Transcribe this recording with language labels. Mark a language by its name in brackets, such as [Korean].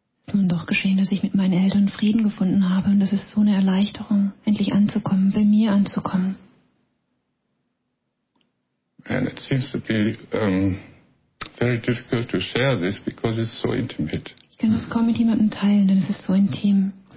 [German] Es ist nun doch geschehen, dass ich mit meinen Eltern Frieden gefunden habe, und es ist so eine Erleichterung, endlich anzukommen, bei mir anzukommen. [English] And it seems to be very difficult to share this because it's so intimate. [German] Ich kann das kaum mit jemandem teilen, denn es ist so intim.